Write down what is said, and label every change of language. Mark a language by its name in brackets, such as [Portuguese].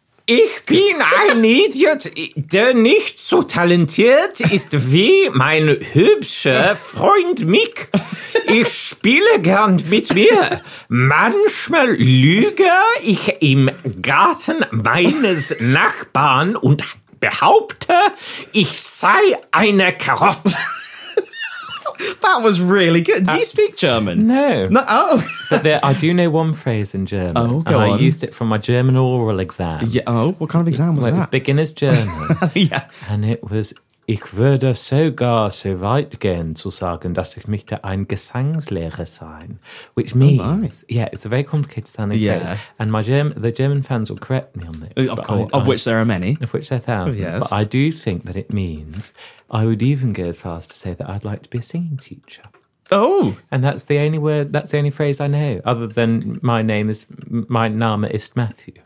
[German] Ich bin ein Idiot, der nicht so talentiert ist wie mein hübscher Freund Mick. Ich spiele gern mit mir. Manchmal lüge ich im Garten meines Nachbarn und behaupte, ich sei eine Karotte. [English] That was really good. Do you speak German? No. Oh. But I do know one phrase in German. Oh, go on. I used it from my German oral exam. Yeah. Oh, what kind of exam was that? It was beginner's German. Yeah. And it was [German] Ich würde sogar so weit gehen zu sagen, dass ich möchte ein Gesangslehrer sein. [English] Which means, it's a very complicated sounding phrase. Yeah. And the German fans will correct me on this. Of which there are many. Of which there are thousands. Yes. But I do think that it means, I would even go as far as to say that I'd like to be a singing teacher. Oh! And that's the only word, that's the only phrase I know, other than my name is Matthew.